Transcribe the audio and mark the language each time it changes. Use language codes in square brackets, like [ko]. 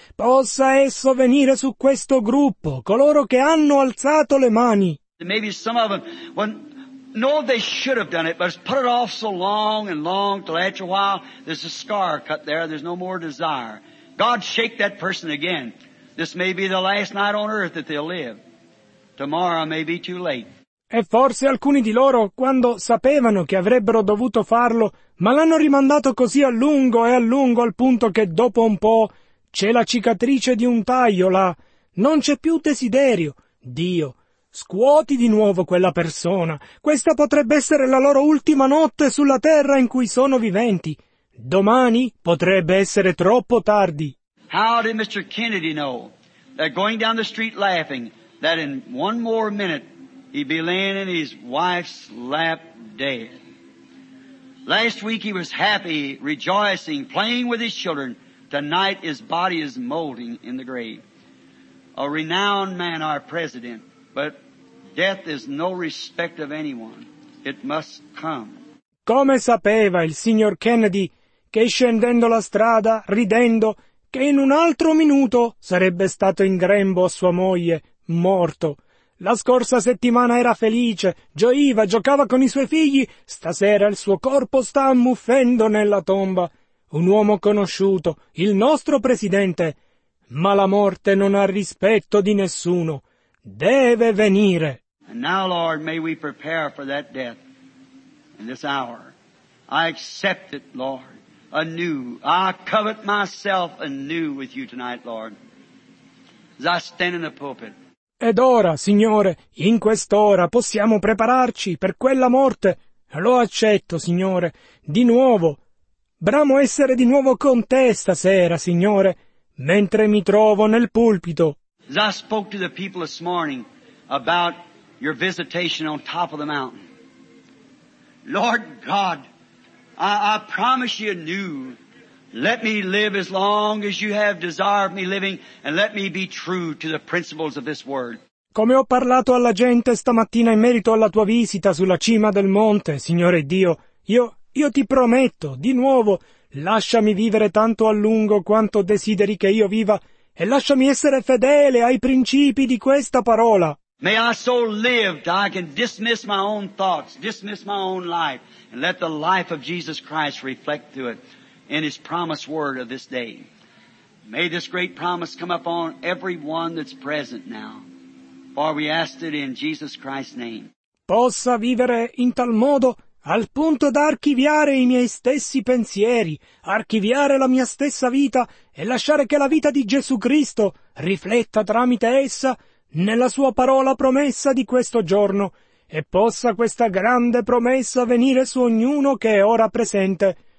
[it] Possa esso venire su questo gruppo, coloro che hanno alzato le mani. [en] Maybe some of them, they should have done it, but it's put it off so long and long till after a while, there's a scar cut there, there's no more desire. God shake that person again. This may be the last night on earth that they'll live. Tomorrow may be too late. [it] E forse alcuni di loro, quando sapevano che avrebbero dovuto farlo, ma l'hanno rimandato così a lungo al punto che dopo un po' c'è la cicatrice di un taglio là. Non c'è più desiderio. Dio, scuoti di nuovo quella persona. Questa potrebbe essere la loro ultima notte sulla terra in cui sono viventi. Domani potrebbe essere troppo tardi. [en] How did Mr. Kennedy know that going down the street laughing, that in one more minute he'd be laying in his wife's lap dead? Last week he was happy, rejoicing, playing with his children, Tonight his body is molding in the grave. A renowned man, our president, but death is no respect of anyone. It must come. [it] Come sapeva il signor Kennedy che scendendo la strada, ridendo, che in un altro minuto sarebbe stato in grembo a sua moglie, morto. La scorsa settimana era felice, gioiva, giocava con i suoi figli, stasera il suo corpo sta ammuffendo nella tomba. Un uomo conosciuto, il nostro presidente. Ma la morte non ha rispetto di nessuno. Deve venire. [en] And now, Lord, may we prepare for that death in this hour. I accept it, Lord, anew. I covet myself anew with you tonight, Lord, as I stand in the pulpit. [it] Ed ora, Signore, in quest'ora possiamo prepararci per quella morte. Lo accetto, Signore, di nuovo. Bramo essere di nuovo con te stasera, Signore, mentre mi trovo nel pulpito. [en] As I spoke to the people this morning about your visitation on top of the mountain, Lord God, I promise you anew, let me live as long as you have desired me living, and let me be true to the principles of this word. [it] Come ho parlato alla gente stamattina in merito alla tua visita sulla cima del monte, Signore Dio, io ti prometto, di nuovo, lasciami vivere tanto a lungo quanto desideri che io viva, e lasciami essere fedele ai principi di questa parola. [en] May I so live that I can dismiss my own thoughts, dismiss my own life, and let the life of Jesus Christ reflect through it. In his promised word of this day. May this great promise come upon everyone that's present now. For we ask it in Jesus Christ's name. [it] Possa vivere in tal modo al punto da archiviare i miei stessi pensieri, archiviare la mia stessa vita e lasciare che la vita di Gesù Cristo rifletta tramite essa nella sua parola promessa di questo giorno e possa questa grande promessa venire su ognuno che è ora presente.